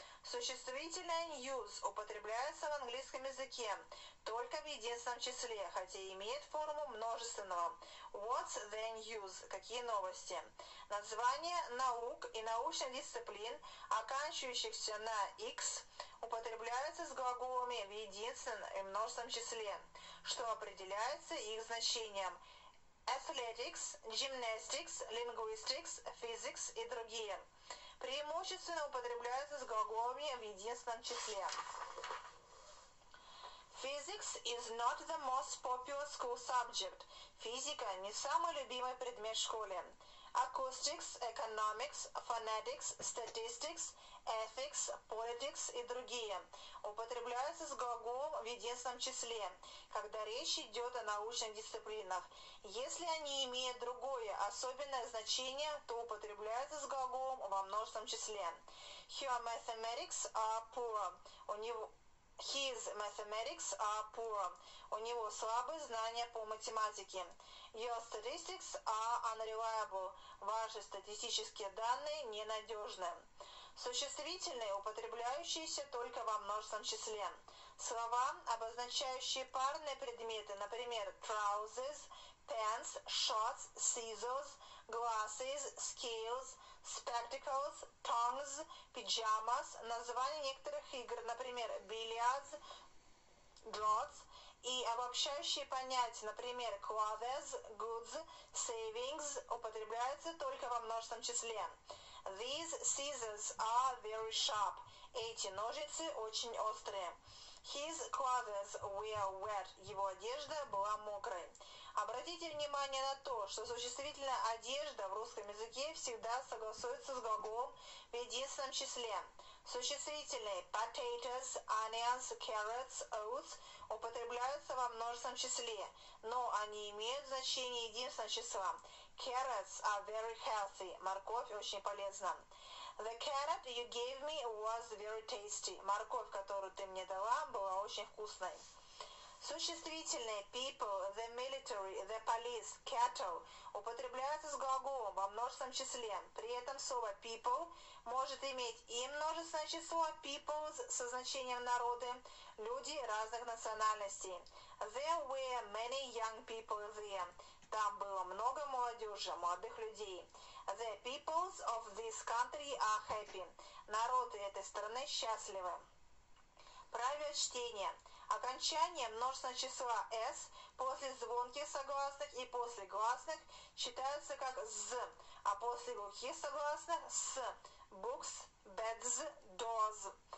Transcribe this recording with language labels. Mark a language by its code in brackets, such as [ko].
[ru] Существительное news употребляется в английском языке только в единственном числе, хотя имеет форму множественного. [en] What's the news? [ru] Какие новости? Название наук и научных дисциплин, оканчивающихся на x, употребляются с глаголами в единственном и множественном числе, что определяется их значением. [en] Athletics, gymnastics, linguistics, physics [ru] и другие. Преимущественно употребляются с глаголами в единственном числе. [en] Physics is not the most popular school subject. [ru] Физика не самый любимый предмет в школе. [en] Acoustics, economics, phonetics, statistics, ethics, politics [ru] и другие употребляются с глаголом в единственном числе, когда речь идет о научных дисциплинах. Если они имеют другое особенное значение, то употребляются с глаголом во множественном числе. [en] Her mathematics are poor. His mathematics are poor. [ru] У него слабые знания по математике. [en] Your statistics are unreliable. [ru] Ваши статистические данные ненадежны. Существительные, употребляющиеся только во множественном числе. Слова, обозначающие парные предметы, например, trousers, pants, shorts, scissors, glasses, scales, spectacles, tongs, pajamas, названия некоторых игр, например, billiards, draughts, и обобщающие понятия, например, clothes, goods, savings, употребляются только во множественном числе. [en] These scissors are very sharp. [ru] Эти ножницы очень острые. [en] His clothes were wet. [ru] Его одежда была мокрой. Обратите внимание на то, что существительная одежда в русском языке всегда согласуется с глаголом в единственном числе. Существительные potatoes, onions, carrots, oats употребляются во множественном числе, но они имеют значение единственного числа. [en] Carrots are very healthy. [ru] Морковь очень полезна. [en] The carrot you gave me was very tasty. [ru] Морковь, которую ты мне дала, была очень вкусной. Существительные people, the military, the police, cattle употребляются с глаголом во множественном числе. При этом слово people может иметь и множественное число people со значением народы, люди разных национальностей. [en] There were many young people there. [ru] Там было много молодежи, молодых людей. [en] The peoples of this country are happy. [ru] Народы этой страны счастливы. Правило чтения. Окончание множественного числа «с» после звонких согласных и после гласных читается как «з», а после глухих согласных «с». [en] Books, beds, doors.